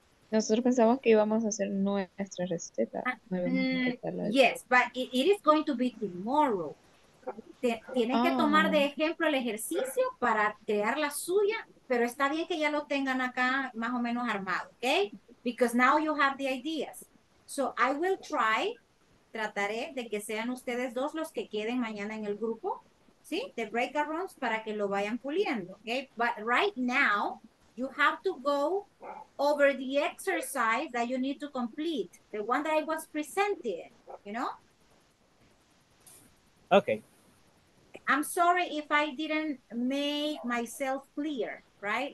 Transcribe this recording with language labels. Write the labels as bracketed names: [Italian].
[Spanish] Nosotros pensamos que íbamos a hacer nuestra receta. [English] Yes, but it is going to be tomorrow. [Spanish] Tienen que tomar de ejemplo el ejercicio para crear la suya, pero está bien que ya lo tengan acá más o menos armado, okay? [English] Because now you have the ideas. So I will try, [Spanish] trataré de que sean ustedes dos los que queden mañana en el grupo, ¿sí? The breakout rooms para que lo vayan puliendo, okay? [English] But right now, you have to go over the exercise that you need to complete, the one that I was presented, you know? Okay. I'm sorry if I didn't make myself clear, right?